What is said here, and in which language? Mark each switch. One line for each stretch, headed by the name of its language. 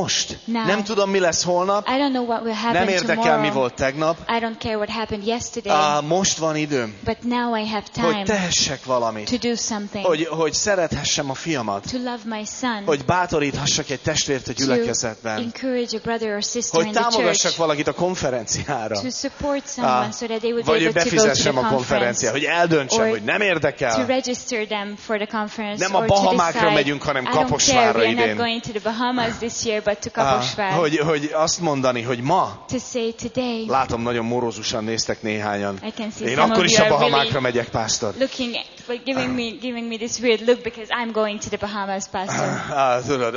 Hungarian: Most.
English: Now.
Hungarian: Nem tudom, mi lesz holnap.
English: I don't know what will happen
Hungarian: nem érdekel,
English: tomorrow.
Hungarian: Mi volt tegnap.
English: I don't care what happened yesterday.
Hungarian: Most van időm.
English: But now I have time.
Hungarian: Hogy tehessek valamit.
English: To do something.
Hungarian: Hogy szerethessem a fiamat.
English: To love my son.
Hungarian: Hogy bátoríthassak egy testvért a gyülekezetben.
English: To encourage a brother or sister in the
Hungarian: church. Hogy támogassak valakit a konferenciára.
English: To support someone so that they would be able to go to the conference.
Hungarian: A konferenciára. Hogy eldöntsem, hogy nem érdekel.
English: To register them for the conference.
Hungarian: Nem a Bahamákra megyünk, hanem Kaposvárra idén.
English: I don't care, we are not going to the Bahamas this year, but to Kaposvár.
Hungarian: Hogy azt mondani, hogy ma,
English: to say today,
Hungarian: látom, nagyon morózusan néztek néhányan.
English: I can see
Hungarian: én akkor is a Bahamákra
English: really
Hungarian: megyek, pásztor.
English: Looking at, like giving me this weird look, because I'm going to the Bahamas, pastor.